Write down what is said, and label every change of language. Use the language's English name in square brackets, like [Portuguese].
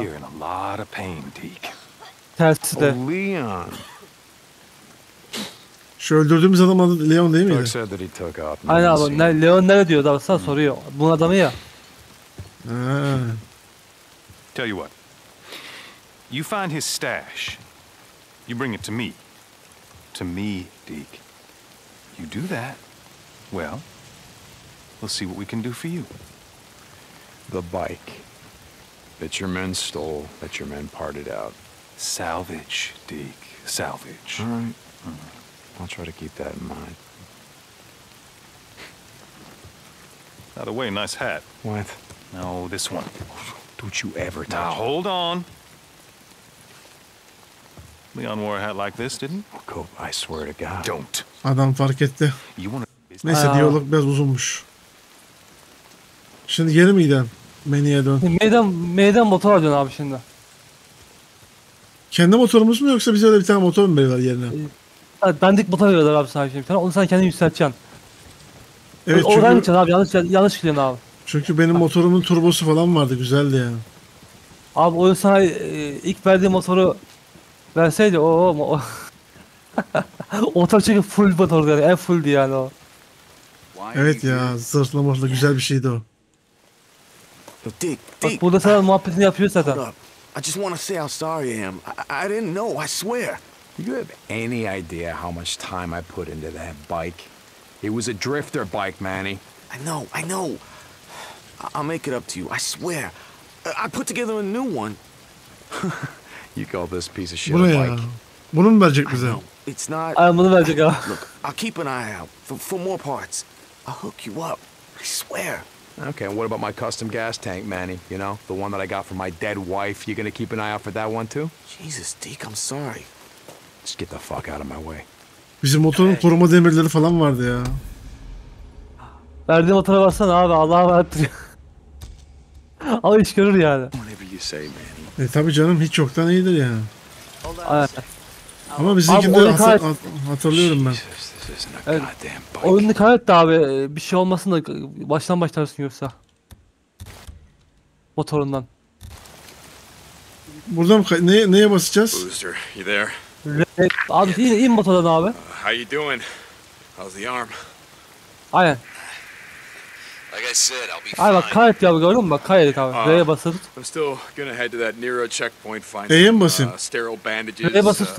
[English] Here in a lot of pain, Deke. [Turkish] Tersi de. [English] Oh, Leon. [Turkish] Şu öldürdüğümüz adam adı Leon değil miydi? [English] Said that he took off. [Turkish] Aynen abi, ne, Leon nerede diyor, daha sana soruyor. Bunun adamı ya. [English] Tell you what. You find his stash. You bring it to me. To me, Deke. You do that. Well, we'll see what we can do for you. The bike that your men stole, that your men parted out. Salvage, Deke. Salvage. All right. Mm-hmm. I'll try to keep that in mind. By the way, nice hat. What? No, this one. Don't you ever touch. Now, hold on. Leon wore a hat like this, didn't he? Oh, Cope, I swear to God. Don't. [Turkish] Adam fark etti. Neyse, diyalog biraz uzunmuş. Şimdi yeni miydin? Meniye dön. Meden motora dön abi şimdi. Kendi motorumuz mu yoksa bize de bir tane motor mu veriyorlar yerine? Dandik motor veriyorlar abi sana şimdi. Onu sen kendin yükselteceksin. Evet, o çünkü... Abi, yanlış gidiyorsun abi. Çünkü benim motorumun turbosu falan vardı, güzeldi yani. Abi o sana ilk verdiği motoru verseydi o motor çünkü full motordu yani, en fulldi yani o. Evet ya, zırhlı mırhlı güzel bir şeydi o. Bak burada sana muhabbetini yapıyor zaten. [English] I just want to say how sorry I am. I didn't know, I swear. Do you have any idea how much time I put into that bike? It was a drifter bike, Manny. I know. I'll make it up to you, I swear. I put together a new one. You call this piece of shit [Turkish] bunu [English] a bike? [Turkish] Bunu mu verecek bize? [English] It's not... [Turkish] Bunu verecek ha. [English] Look, I'll keep an eye out for more parts. I'll hook you up, I swear. Okay, and what about my custom gas tank, Manny? You know, the one that I got from my dead wife. You gonna keep an eye out for that one too? Jesus, Deke, I'm sorry. Just get the fuck out of my way. [Turkish] Bizim motorun koruma demirleri falan vardı ya. Verdiğim motora varsan abi, Allah'a verdiriyor. Ama iş görür yani. [English] Whatever you say, Manny. [Turkish] Tabi canım, hiç yoktan iyidir yani. Evet. Ama bizimkinde hatırlıyorum ben. Evet. Oyunu kaybetti abi. Bir şey olmasın da baştan başlarsın yoksa. Motorundan. Burada mı? Neye basacağız? [English] Booster, you there? [Turkish] Abi in motordan abi. [English] How you doing? How's the arm? [Turkish] Aynen. [English] Like I said, I'll be fine. [Turkish] Aynen bak kaydetti abi, gördün mü bak kaydetti abi. Neye basır? [English] I'm still gonna head to that Nero checkpoint, find sterile bandages,